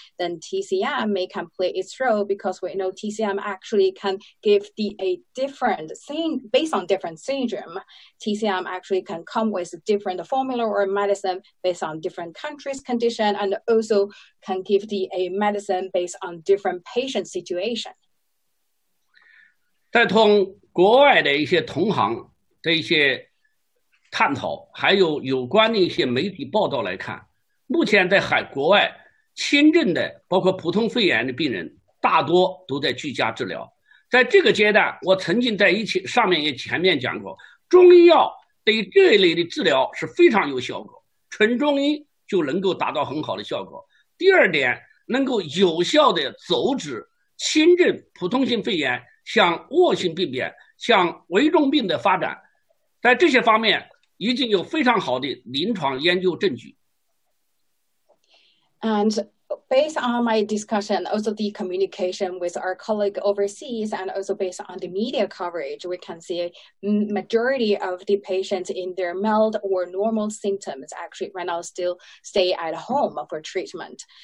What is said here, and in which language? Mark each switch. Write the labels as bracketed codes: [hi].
[en] Then TCM may can play its role because we know TCM actually can give the a different thing based on different syndrome. TCM actually can come with a different formula or medicine based on different countries' condition and also can give the a medicine based on different patient situation. [zh] 在同国外的一些同行的一些探讨，还有有关的一些媒体报道来看，目前在国外轻症的，包括普通肺炎的病人，大多都在居家治疗。在这个阶段，我曾经在一起上面也前面讲过，中医药对于这一类的治疗是非常有效果，纯中医就能够达到很好的效果。第二点，能够有效的阻止轻症普通性肺炎向恶性病变、向危重病的发展，在这些方面已经有非常好的临床研究证据。 [en] And based on my discussion, also the communication with our colleague overseas, and also based on the media coverage, we can see majority of the patients in their mild or normal symptoms actually right now still stay at home for treatment.